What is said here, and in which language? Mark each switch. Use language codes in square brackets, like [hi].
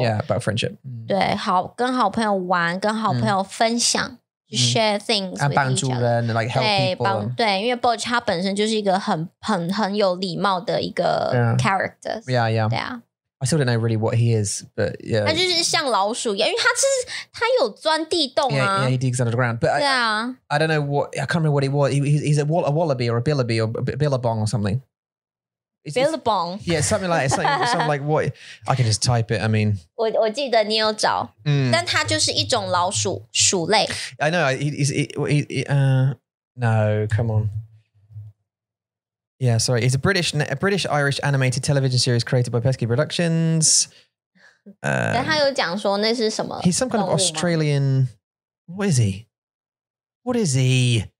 [en] yeah about friendship [zh] 对好跟好朋友玩跟好朋友分享 [en] share things and [zh] 帮助人 [en] like help [zh] 对, [en] people [zh] 帮, 对因为Bodge他本身就是一个很有礼貌的一个 character [en] yeah. I still don't know really what he is but yeah [zh] 他就是像老鼠一样因为他是他有钻地洞啊 [en] yeah he digs underground but yeah. I don't know what I can't remember what he was he's a wallaby or a billaby or a billabong or something it's, billabong it's, yeah something like it's like, something like what I can just type it I mean [zh] 我记得你有找 但它就是一种老鼠类 [en] I know no come on yeah sorry it's a British Irish animated television series created by Pesky Productions [zh] 但他有讲说那是什么 [en] he's some kind of Australian what is he